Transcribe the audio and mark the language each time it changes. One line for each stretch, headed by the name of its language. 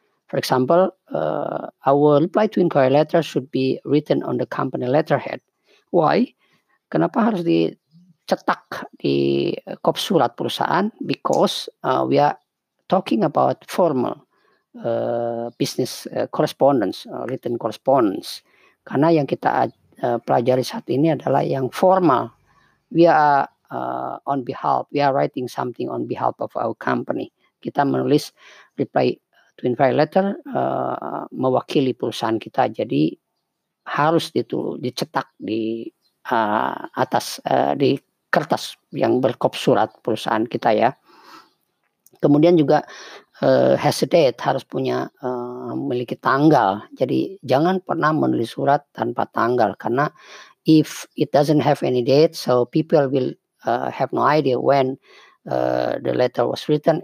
English: For example, our reply to inquiry letter should be written on the company letterhead. Why?
Indonesian: Kenapa harus dicetak di kop surat perusahaan?
English: Because we are talking about formal business correspondence, written correspondence.
Indonesian: Karena yang kita pelajari saat ini adalah yang formal.
English: We are on behalf, we are writing something on behalf of our company.
Indonesian: Kita menulis
English: reply to inquiry letter
Indonesian: mewakili perusahaan kita. Jadi harus dicetak di atas, di kertas yang berkop surat perusahaan kita ya. Kemudian juga hesitate, harus punya memiliki tanggal. Jadi jangan pernah menulis surat tanpa tanggal, karena
English: if it doesn't have any date, so people will have no idea when the letter was written.